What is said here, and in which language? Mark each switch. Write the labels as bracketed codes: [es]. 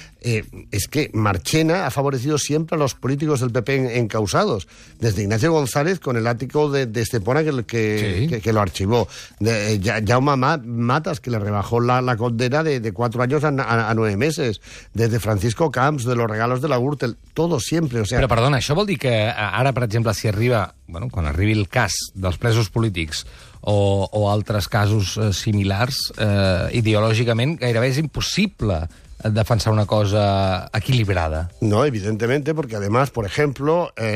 [es] Es que Marchena ha favorecido siempre a los políticos del PP encausados, desde Ignacio González con el ático de Estepona que lo archivó, Jaume Matas, que le rebajó la condena de 4 años a 9 meses, desde Francisco Camps, de los regalos de la Gürtel, todo siempre. O sea, [ca] però perdona, això vol dir que ara, per exemple, si arriba, bueno, quan arribi el cas dels presos polítics o altres casos similars, ideològicament gairebé és impossible defensar una cosa equilibrada. [es] No, evidentemente, porque además, por ejemplo,